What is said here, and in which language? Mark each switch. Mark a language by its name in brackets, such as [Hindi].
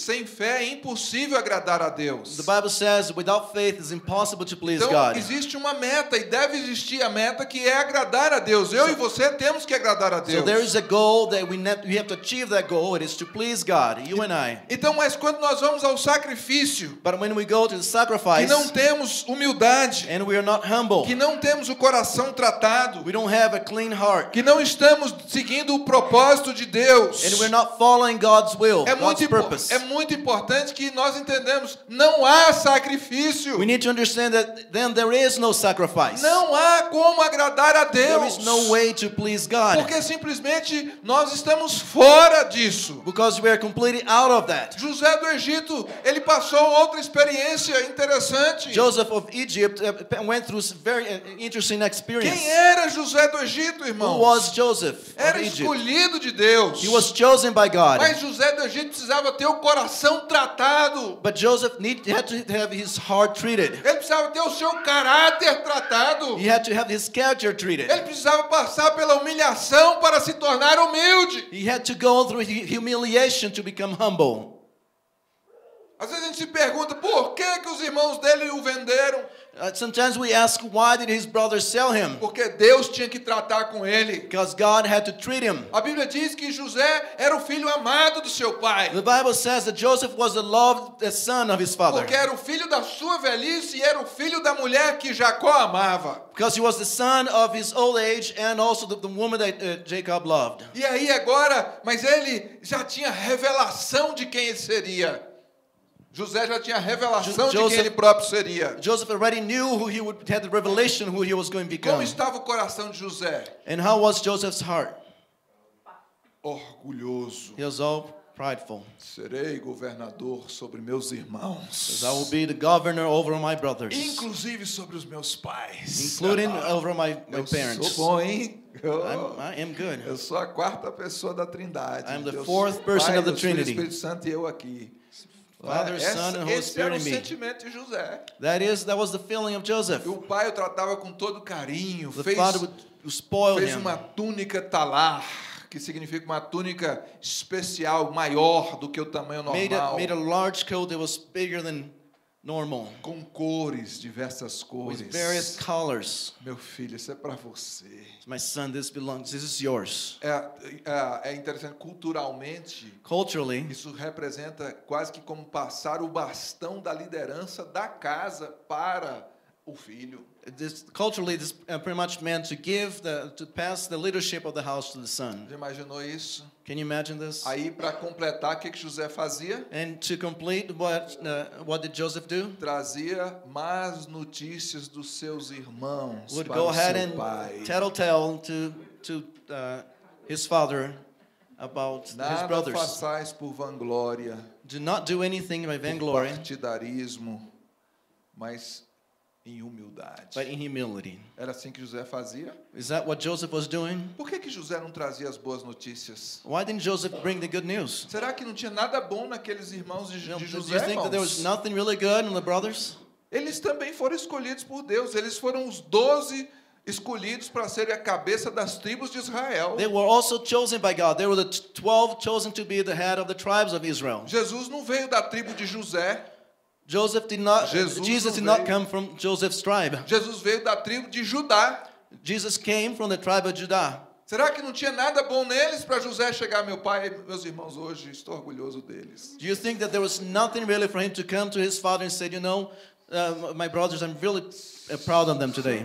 [Portuguese] Sem fé é impossível agradar a Deus. [English] The Bible says without faith it's impossible to [Portuguese] então existe uma meta e deve existir a meta que é agradar a Deus. Eu e você temos que agradar a Deus. [English] So there is a goal that we have to achieve that goal. It is to please God, you and I. [Portuguese] Então, mas quando nós vamos ao sacrifício, [English] but when we go to the sacrifice, [Portuguese] que não temos humildade, [English] and we are not humble, [Portuguese] que não temos o coração tratado, [English] we don't have a clean heart, [Portuguese] que não estamos seguindo o propósito de Deus, [English] and we're not following God's will, God's purpose. [Portuguese] É muito importante que nós entendamos, não há sacrifício. [English] We need to understand that then there is no sacrifice. [Portuguese] Não há como agradar a Deus. [English] There is no way to please God. [Portuguese] Porque simplesmente nós estamos fora disso. [English] Because we are completely out of that. [Portuguese] José do Egito, ele passou outra experiência interessante. [English] Joseph of Egypt went through a very interesting experience. [Portuguese] Quem era José do Egito, irmão? [English] Who was Joseph of [Portuguese] era [English] Egypt? [Portuguese] Era escolhido de Deus. [English] He was chosen by God. [Portuguese] Mas José do Egito precisava ter o coração tratado. [English] But Joseph had to have his heart treated. [Portuguese] Ele precisava ter o seu caráter tratado. [English] He had to have his character treated. [Portuguese] Ele precisava passar pela humilhação para se tornar humilde. [English] He had to go through humiliation to become humble. [Portuguese] Às vezes a gente se pergunta, por que os irmãos dele o venderam? [English] Sometimes we ask, why did his brother sell him? [Portuguese] Porque Deus tinha que tratar com ele. [English] Because God had to treat him. [Portuguese] A Bíblia diz que José era o filho amado do seu pai. [English] The Bible says that Joseph was the loved son of his father. [Portuguese] Porque era o filho da sua velhice e era o filho da mulher que Jacó amava. [English] Because he was the son of his old age and also the woman that Jacob loved. [Portuguese] E aí agora, mas ele já tinha revelação de quem ele seria. José já tinha revelação de quem ele próprio seria. [English] Joseph already knew who he would had the revelation who he was going to become. [Portuguese] Como estava o coração de José? [English] And how was Joseph's heart? [Portuguese] Orgulhoso. [English] He was all prideful. [Portuguese] Serei governador sobre meus irmãos. [English] I will be the governor over my brothers. [Portuguese] Inclusive sobre os meus pais. [English] Including over my parents. [Portuguese] Sou bom, hein? [English] I am good. [Portuguese] Eu sou a quarta pessoa da Trindade. [English] I am the fourth person of the Trinity. [Portuguese] Pai, o Espírito Santo e eu aqui. [English] Father, Son, and Holy Spirit in me. That was the feeling of Joseph. [Portuguese] O pai o tratava com todo carinho. [English] The father would spoil him. [Portuguese] Fez uma túnica talar, que significa uma túnica especial, maior do que o tamanho normal. [English] Made a large coat that was bigger than normal. [Portuguese] Com cores, diversas cores. [English] With various colors. [Portuguese] Meu filho, isso é para você. [English] My son, this belongs. This is yours. [Portuguese] É interessante culturalmente. [English] Culturally. [Portuguese] Isso representa quase que como passar o bastão da liderança da casa para o filho. [English] This culturally, this pretty much meant to give the to pass the leadership of the house to the son. [Portuguese] Você imaginou isso? [English] Can you imagine this? [Portuguese] Aí para completar, o que que José fazia? [English] And to complete, what did Joseph do? [Portuguese] Trazia más notícias dos seus irmãos para o seu pai. [English] Would go ahead and tattle to his father about [Portuguese] nada [English] his brothers. [Portuguese] Nada façais por vanglória. [English] Do not do anything by vainglory. [Portuguese] Partidarismo, mas em humildade. [English] But in humility. [Portuguese] Era assim que José fazia? [English] Is that what Joseph was doing? [Portuguese] Por que que José não trazia as boas notícias? [English] Why didn't Joseph bring the good news? [Portuguese] Será que não tinha nada bom naqueles irmãos de José? [English] Do you think that there was nothing really good in the brothers? [Portuguese] Eles também foram escolhidos por Deus. Eles foram os 12 escolhidos para serem a cabeça das tribos de Israel. [English] They were also chosen by God. They were the 12 chosen to be the head of the tribes of Israel. [Portuguese] Jesus não veio da tribo de José. [English] Joseph did not. Jesus did not come from Joseph's tribe. [Portuguese] Jesus veio da tribo de Judá. [English] Jesus came from the tribe of Judah. [Portuguese] Será que não tinha nada bom neles para José chegar, meu pai e meus irmãos hoje? Estou orgulhoso deles. [English] Do you think that there was nothing really for him to come to his father and say, you know, my brothers, I'm really proud of them today.